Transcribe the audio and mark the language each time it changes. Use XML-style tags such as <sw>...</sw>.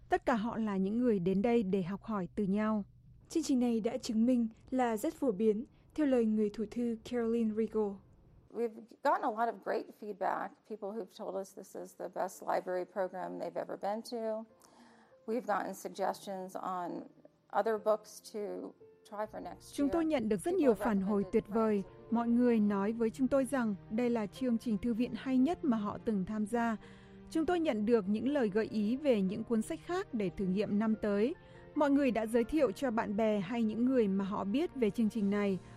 <vi>Tất cả họ là những người đến đây để học hỏi từ nhau. Chương trình này đã chứng minh là rất phổ biến. Theo lời người thủ thư Caroline Regal,</vi> <en>we've gotten a lot of great feedback. People who've told us this is the best library program they've ever been to. We've gotten suggestions on other books to try for next year.</en> <vi>Chúng tôi nhận được rất nhiều phản hồi tuyệt vời. Mọi người nói với chúng tôi rằng đây là chương trình thư viện hay nhất mà họ từng tham gia. Chúng tôi nhận được những lời gợi ý về những cuốn sách khác để thử nghiệm năm tới. Mọi người đã giới thiệu cho bạn bè hay những người mà họ biết về chương trình này.</vi>